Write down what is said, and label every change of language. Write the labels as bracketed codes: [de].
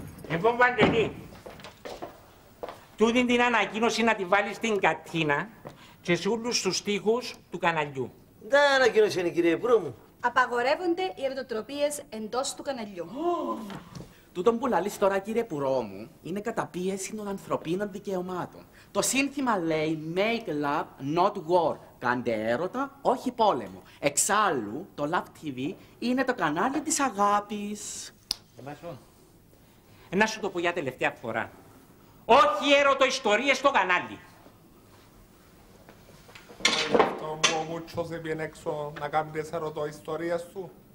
[el] Λοιπόν, Βαγγελή, τούτη την ανακοίνωση να τη βάλεις στην Κατίνα και σε όλους τους τοίχους του καναλιού. Δεν ανακοίνωση είναι, κύριε Υπουργό μου. Απαγορεύονται οι ερωτοτροπίες εντός του καναλιού. Τούτον που λαλείς τώρα, κύριε Πουρό μου, είναι καταπίεση των ανθρωπίνων δικαιωμάτων. Το σύνθημα λέει [en] «Make love, not war». [el] Κάντε έρωτα, όχι πόλεμο. Εξάλλου, το Love TV είναι το κανάλι της αγάπης. Να σου το πω για τελευταία φορά. Όχι έρωτο ιστορίες στο κανάλι. Ο Μούτσος έπινε έξω να κάνει τις ερωτοϊστορίες του.